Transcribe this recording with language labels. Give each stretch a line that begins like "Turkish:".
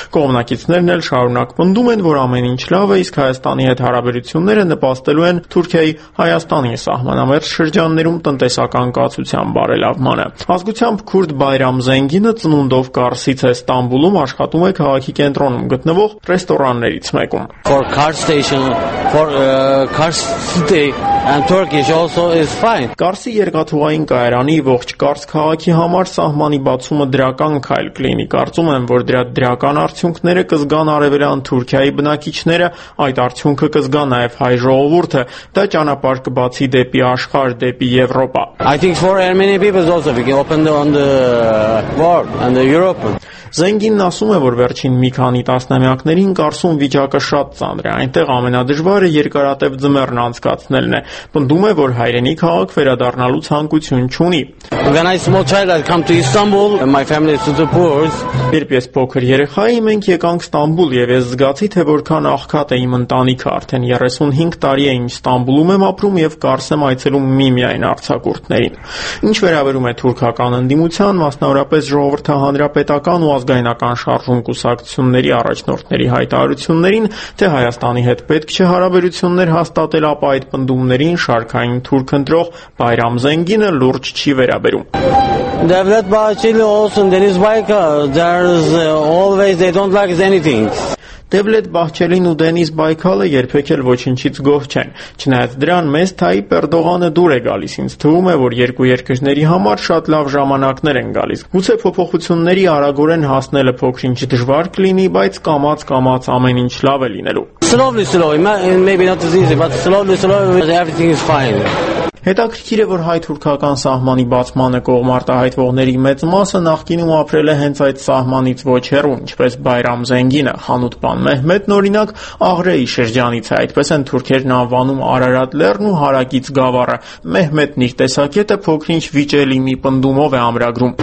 Armenian: Կողմնակիցներն էլ շարունակ պնդում են, որ ամեն ինչ լավ է, իսկ Հայաստանի հետ հարաբերությունները նպաստելու են Թուրքիայի Հայաստանի սահմանամերձ շրջաններում տնտեսական կացության բարելավմանը։ Ազգությամբ քուրդ Բայրամ Զենգինը ծնունդով Կարսից է, Ստամբուլում աշխատում է քաղաքի կենտրոնում գտնվող ռեստորաններից։
English: America. For car station, for car city and Turkish also is fine.
Armenian: Կարսի երկաթուղային կայարանի ողջ Կարս քաղաքի համար սահմանի բացումը դրական քայլ կլինի։ Կարծում եմ, որ դրա դրական արդյունքները կզգան արևելյան Թուրքիայի բնակիչները, այդ արդյունքը կզգա նաև հայ ժողովուրդը, դա ճանապարհ կբացի դեպի աշխարհ, դեպի Եվրոպա։
English: I think for Armenian people also we can open on the world and the Europe.
Armenian: Զենգինն ասում է, որ վերջին մի քանի տասնամյակներին Կարսում վիճակը շատ ծանր է, այնտեղ ամենադժվարը երկարատև ձմեռն անցկացնելն է։ Պնդում է, որ հայրենի քաղաք վերադառնալու ցանկություն չունի։
English: When I small child I come to Istanbul and my family is to the poor's.
Armenian: Երբ ես փոքր երեխայի մենք եկանք Ստամբուլ եւ ես զգացի, թե որքան աղքատ է իմ ընտանիքը, արդեն 35 տարի է ինչ Ստամբուլում եմ ապրում եւ Կարս եմ այցելում միմիայն արձակուրդներին։ Ինչ վերաբերում է թուրքական ընդդիմության, մասնավորապես ժողովրդահանրապետական ազգայնական շարժում կուսակցությունների առաջնորդների հայտարարություններին, թե Հայաստանի հետ պետք չէ հարաբերություններ հաստատել, ապա այդ պնդումներին շարքային թուրք ընտրող Բայրամ Զենգինը լուրջ չի վերաբերում։
English: Devlet Bahçeli olsun, Deniz Baykal, there's always they don't like anything.
Armenian: Դևլեթ Բահչելին ու Դենիս Բայքալը երբեք էլ ոչինչից գոհ չեն։ Չնայած դրան, մեզ Թայիպ Էրդողանը դուր է գալիս, ինձ թվում է, որ երկու երկրների համար շատ լավ ժամանակներ են գալիս։ Գուցե փոփոխությունների արագորեն հասնելը փոքրինչ դժվար կլինի, բայց կամաց-կամաց ամեն ինչ լավ է լինելու։
English: Slowly slowly, maybe not easy, but slowly slowly everything is fine.
Armenian: Հետաքրքիր է, որ հայ-թուրքական սահմանի բացմանը կողմարտահայտվողների մեծ մասը նախկինում ապրել է հենց այդ սահմանից ոչ հեռու, ինչպես Բայրամ Զենգինը, Հանութ պան Մեհմեդն օրինակ Աղրեի շրջանից է, այդպես են թուրքերն անվանում Արարատ լեռն ու Հարակից գավառը։ Մեհմեդն իր տեսակետը փոքրինչ վիճելի մի պնդումով է ամրագրում.